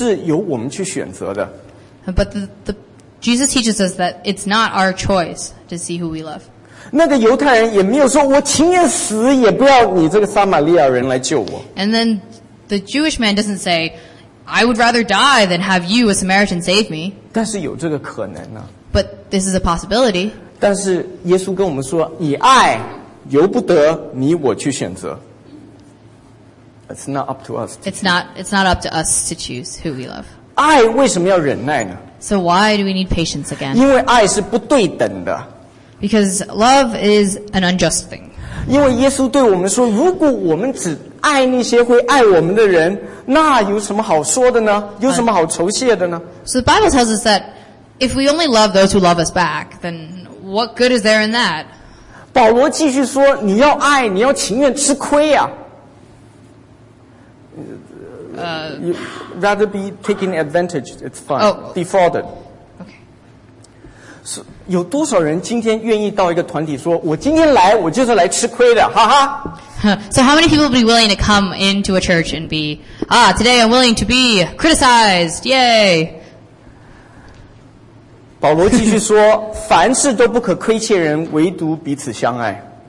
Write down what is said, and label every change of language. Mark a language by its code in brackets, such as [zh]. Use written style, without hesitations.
[zh] 但是耶稣对我们的教训不是由我们去选择的。But [en] Jesus teaches us that it's not our choice to see who we love. [zh] 那个犹太人也没有说，我情愿死也不要你这个撒玛利亚人来救我。And [en] then the Jewish man doesn't say, "I would rather die than have you, a Samaritan, save me." [zh] 但是有这个可能啊。But [en] this is a possibility. [zh] 但是耶稣跟我们说，以爱由不得你我去选择。 [en] It's not up to us. It's not up to us to choose who we love. [zh] 爱为什么要忍耐呢? [en] So why do we need patience again? [zh] 因为爱是不对等的。 [en] Because love is an unjust thing. [zh] 因为耶稣对我们说, 如果我们只爱那些会爱我们的人，那有什么好说的呢？有什么好酬谢的呢？ [en] So the Bible tells us that if we only love those who love us back, then what good is there in that? [zh] 保罗继续说，你要爱，你要情愿吃亏啊。 [en] Rather be taking advantage, it's fine. Defrauded. Okay. [zh] 有多少人今天愿意到一个团体说，我今天来，我就是来吃亏的，哈哈。 [en] So how many people would be willing to come into a church and be, today I'm willing to be criticized, yay. [zh] 保罗继续说，凡事都不可亏欠人，唯独彼此相爱。